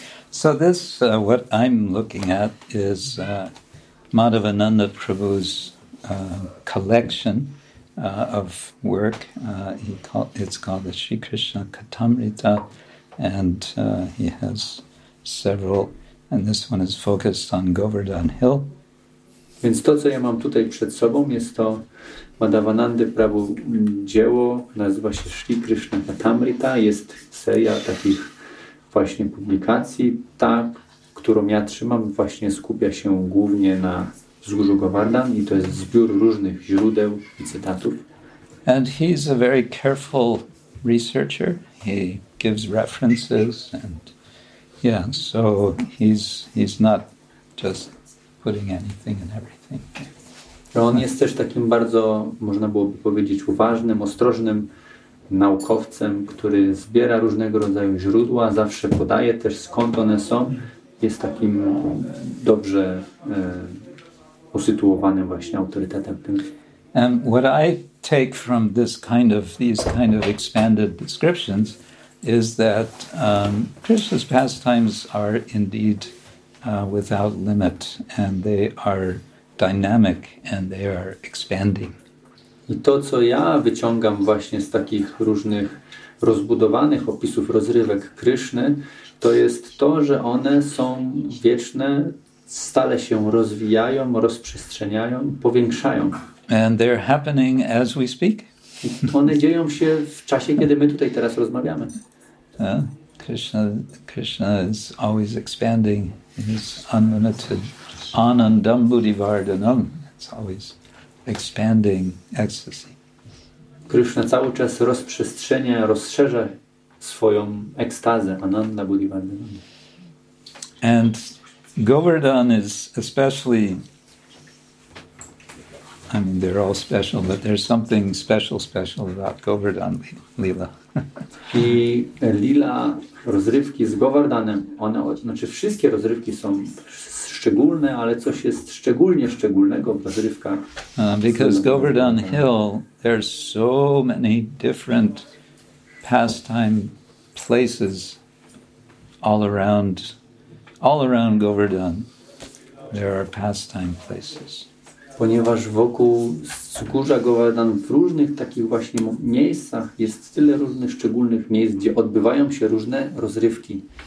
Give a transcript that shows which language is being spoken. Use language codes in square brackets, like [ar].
[en] So this, what I'm looking at is Madhavananda Prabhu's collection of work. It's called the Sri Krishna Kathamrita. And he has several, and this one is focused on Govardhan Hill. [pl] Więc to, co ja mam tutaj przed sobą, jest to Madhavanandy Prabhu dzieło, nazywa się Sri Krishna Kathamrita. Jest seria takich właśnie publikacji. Ta, którą ja trzymam, właśnie skupia się głównie na wzgórzu Govardhan i to jest zbiór różnych źródeł i cytatów. [en] And he's a very careful researcher. He gives references and yeah, so he's not just putting anything and everything. [pl] On jest też takim bardzo, można byłoby powiedzieć, uważnym, ostrożnym naukowcem, który zbiera różnego rodzaju źródła, zawsze podaje też skąd one są. Jest takim dobrze usytuowanym właśnie autorytetem tym. [en] And what I take from this kind of these kind of expanded descriptions is that Krishna's pastimes are indeed without limit and they are dynamic and they are expanding. [pl] I to, co ja wyciągam właśnie z takich różnych rozbudowanych opisów rozrywek Kryszny, to jest to, że one są wieczne, stale się rozwijają, rozprzestrzeniają, powiększają. [en] And they're happening as we speak. [pl] One dzieją się w czasie, kiedy my tutaj teraz rozmawiamy. [en] Krishna is always expanding. He's unlimited. [sa] Anandam buddhivardhanam. [en] It's always expanding ecstasy. [pl] Krishna cały czas rozprzestrzenia, rozszerza swoją ekstazę. [sa] Ananda buddhivardhanam. [en] And Govardhan is especially, I mean, they're all special, but there's something special about Govardhan Lila. [pl] I Lila, rozrywki z Govardhanem, one, znaczy wszystkie rozrywki są szczególne, ale coś jest szczególnie szczególnego w rozrywkach. [en] Because Govardhan Hill, there's so many different pastime places all around Govardhan, there are pastime places. [pl] Ponieważ wokół wzgórza Govardhan w różnych takich właśnie miejscach jest tyle różnych szczególnych miejsc, gdzie odbywają się różne rozrywki.